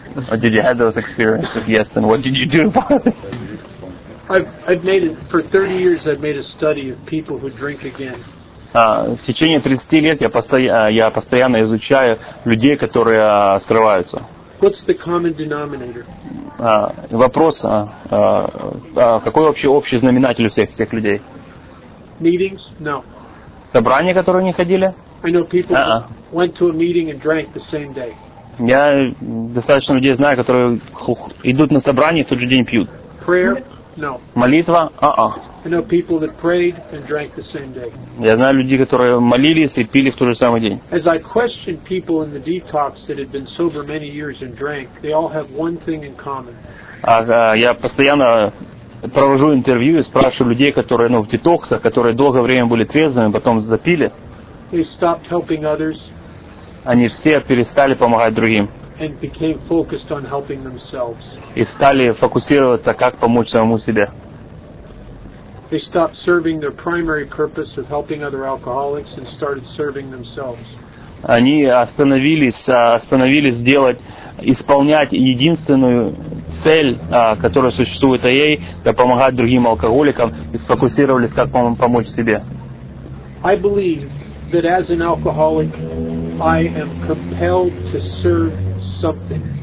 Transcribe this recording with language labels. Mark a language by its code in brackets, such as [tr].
[en] Or did you have those experiences? Yes, then what did you do about it? For 30 years, I've made a study of people who drink again. [ru] В течение 30 лет я постоянно изучаю людей, которые срываются. [en] What's the common denominator? [ru] Вопрос, какой общий знаменатель у всех этих людей? [en] Meetings? No. [ru] Собрания, которые они ходили? [en] I know people went to a meeting and drank the same day. [ru] Я достаточно людей знаю, которые идут на собрание и в тот же день пьют. [en] Prayer? No. [ru] Молитва? [en] I know people that prayed and drank the same day. [ru] Я знаю людей, которые молились и пили в тот же самый день. [en] As I questioned people in the detox that had been sober many years and drank, they all have one thing in common. [ru] Я постоянно провожу интервью и спрашиваю людей, которые, ну, в детоксах, которые долгое время были трезвыми, потом запили. [en] They stopped helping others. [ru] Они все перестали помогать другим. [en] And became focused on helping themselves. [ru] И стали фокусироваться, как помочь самому себе. [en] They stopped serving their primary purpose of helping other alcoholics and started serving themselves. [ru] Они остановились делать, исполнять единственную цель, которая существует в АА, это помогать другим алкоголикам, и сфокусировались, как помочь себе. [en] I believe that as an alcoholic, I am compelled to serve something.